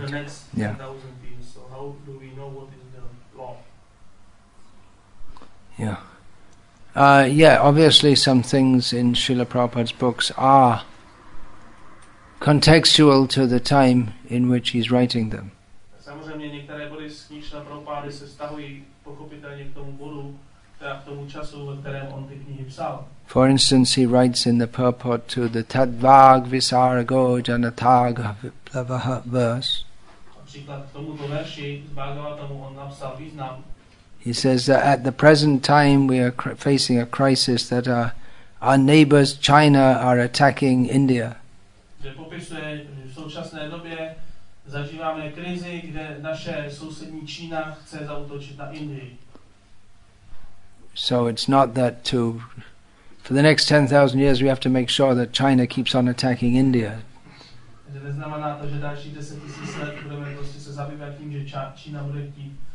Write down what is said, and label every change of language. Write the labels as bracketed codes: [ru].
[en] for the next 10,000 years. So how do we know what is the law? Yeah. Yeah, obviously some things in Srila Prabhupada's books are contextual to the time in which he's writing them. [cs] Samozřejmě některé body z knih Srila Prabhupády se stahují pochopitelně k tomu bodu, teda k tomu času, ve kterém on ty knihy psal. [en] For instance, he writes in the purport to the Tadvag Visargo Janatag Plavaha verse. [cs] Například k tomuto verši z Bhagavatamu on napsal význam. [en] He says that at the present time we are facing a crisis that our neighbors China are attacking India. [cs] Že popisuje, že v současné době zažíváme krizi, kde naše sousední Čína chce zaútočit na Indii. [en] So it's not that for the next 10,000 years we have to make sure that China keeps on attacking India. [cs] Že neznamená to, že další 10,000 let budeme prostě se zabývat tím, že Čína bude chtít